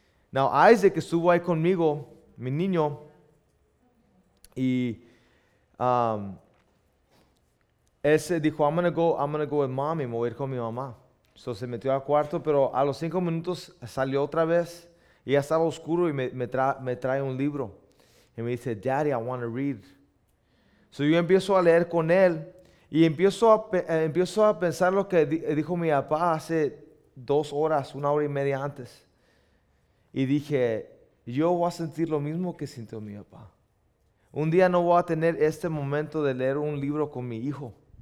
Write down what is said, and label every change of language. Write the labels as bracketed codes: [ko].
[es] Now Isaac estuvo ahí conmigo, mi niño. Y ese dijo, [en] I'm gonna go with mommy, [es] me voy a ir con mi mamá. So se metió al cuarto, pero a los 5 minutos salió otra vez y ya estaba oscuro y me trae un libro. Y me dice, [en] daddy, I want to read. [es] So yo empiezo a leer con él y empiezo a pensar lo que dijo mi papá hace 2 horas, 1 hora y media antes. Y dije, yo voy a sentir lo mismo que sintió mi papá. Un día no voy a tener este momento de leer un libro con mi hijo.